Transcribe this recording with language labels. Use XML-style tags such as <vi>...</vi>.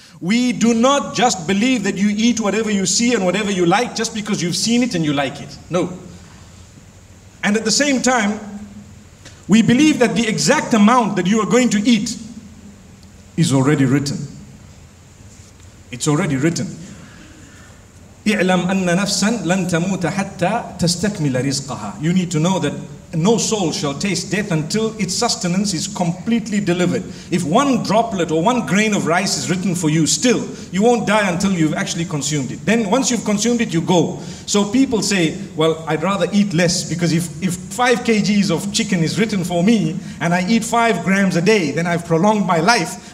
<en>We do not just believe that you eat whatever you see and whatever you like just because you've seen it and you like it. No. And at the same time, we believe that the exact amount that you are going to eat is already written. It's already written.</en> <ar>اعلم أن نفسا لن تموت حتى تستكمل رزقها.</ar> <en>You need to know that no soul shall taste death until its sustenance is completely delivered. If one droplet or one grain of rice is written for you, still, you won't die until you've actually consumed it. Then once you've consumed it, you go. So people say, well, I'd rather eat less, because if 5 kgs of chicken is written for me and I eat 5 grams a day, then I've prolonged my life.</en>